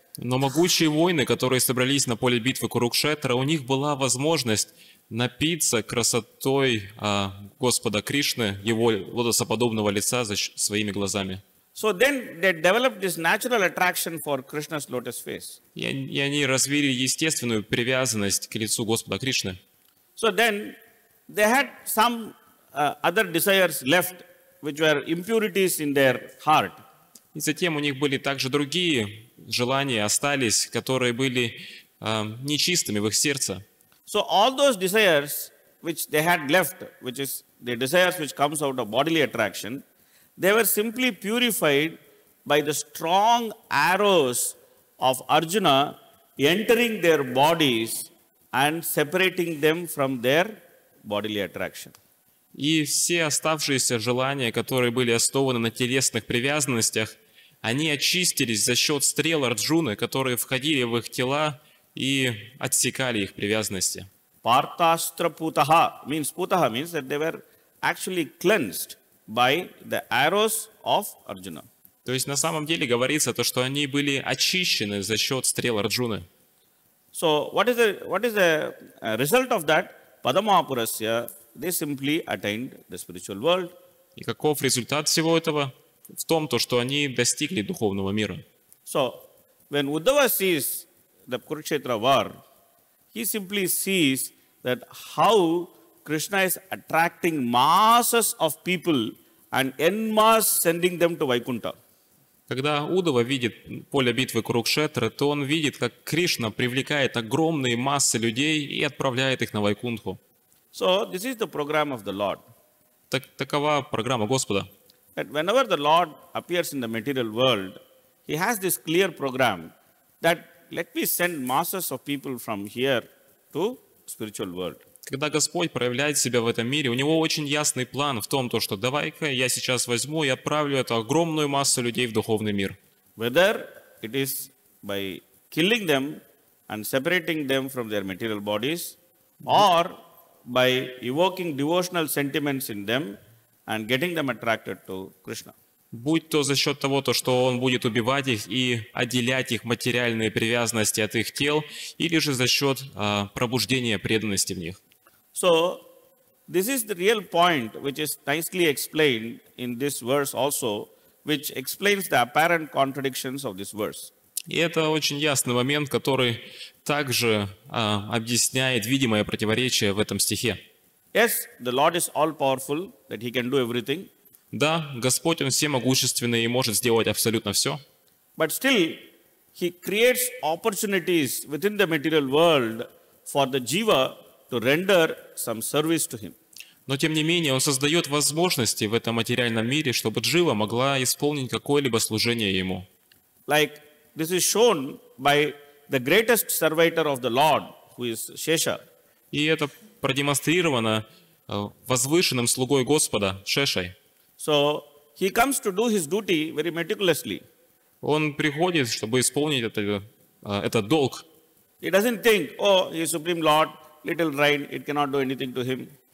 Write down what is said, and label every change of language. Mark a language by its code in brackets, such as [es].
[ru] Но могучие воины, которые собрались на поле битвы Курукшетра, у них была возможность напиться красотой Господа Кришны, его лотосоподобного лица своими глазами. [en] So then they developed this natural attraction for Krishna's lotus face. [ru] И они развили естественную привязанность к лицу Господа Кришны. [en] So then they had some other desires left, which were impurities in their heart. [ru] И затем у них были также другие желания остались, которые были нечистыми в их сердце. [en] So all those desires which they had left, which is the desires which comes out of bodily attraction, they were simply purified by the strong arrows of Arjuna entering their bodies and separating them from their bodily attraction. [ru] И все оставшиеся желания, которые были основаны на телесных привязанностях, они очистились за счет стрел Арджуны, которые входили в их тела и отсекали их привязанности. [en] Partastra Putaha means Putaha means that they were actually cleansed by the arrows of Arjuna. [ru] То есть на самом деле говорится то, что они были очищены за счет стрел Арджуны. [en] So what is the result of that? Padamapurasya, they simply attained the spiritual world. [ru] И каков результат всего этого? В том, то, что они достигли духовного мира. [en] So when Uddhava sees the Kurukshetra war, he simply sees that how Krishna is attracting masses of people and en masse sending them to Vaikuntha. [ru] Когда Удава видит поле битвы Курукшетры, то он видит, как Кришна привлекает огромные массы людей и отправляет их на Вайкунтху. [en] So this is the program of the Lord. [ru] Такова программа Господа. [en] That whenever the Lord appears in the material world, he has this clear program that let me send masses of people from here to spiritual world. [ru] Когда Господь проявляет себя в этом мире, у него очень ясный план в том, то, что давай-ка я сейчас возьму и отправлю эту огромную массу людей в духовный мир. [en] Whether it is by killing them and separating them from their material bodies, or by evoking devotional sentiments in them and getting them attracted to Krishna. [ru] Будь то за счет того, то, что он будет убивать их и отделять их материальные привязанности от их тел, или же за счет пробуждения преданности в них. [en] So, this is the real point which is nicely explained in this verse also, which explains the apparent contradictions of this verse. [ru] И это очень ясный момент, который также объясняет видимое противоречие в этом стихе. [en] Yes, the Lord is all-powerful, that He can do everything. [ru] Да, Господь, Он всемогущественный и может сделать абсолютно все. [en] But still, He creates opportunities within the material world for the jiva to render some service to Him. [ru] Но тем не менее, Он создает возможности в этом материальном мире, чтобы джива могла исполнить какое-либо служение Ему. [en] Like, this is shown by the greatest servitor of the Lord, who is Shesha. [ru] И это продемонстрировано возвышенным слугой Господа, Шешей. [en] So he comes to do his duty very meticulously. [ru] Он приходит, чтобы исполнить этот долг. [en] He doesn't think, oh, he's supreme Lord, little rain, it cannot do anything to him.